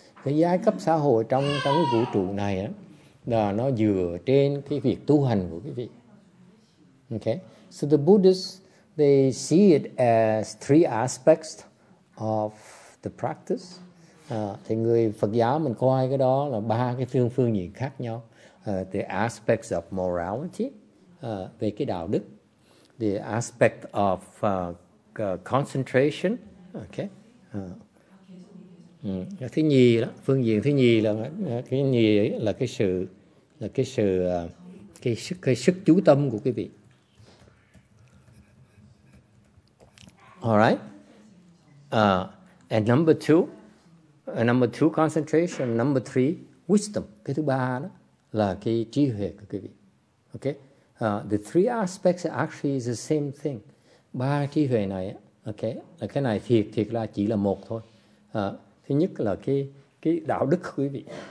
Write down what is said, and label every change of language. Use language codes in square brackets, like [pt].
[vi] Cái giai cấp xã hội trong cái vũ trụ này á, là nó dựa trên cái việc tu hành của quý vị. [en] Okay, so the Buddhists, they see it as three aspects of the practice. [vi] Thì người Phật giáo mình coi cái đó là ba cái phương diện khác nhau. [en] The aspects of morality, [vi] về cái đạo đức. [en] The aspect of concentration. Okay. [vi] Thứ nhì đó, phương diện thứ nhì là cái nhì là cái sức chú tâm của quý vị. [en] All right. And number two concentration, number three wisdom. [vi] Cái thứ ba đó là cái trí huệ của quý vị. [en] Okay. The three aspects are actually the same thing. [vi] Ba trí huệ này, okay, là cái này thiệt là chỉ là một thôi. Thứ nhất là cái đạo đức quý vị.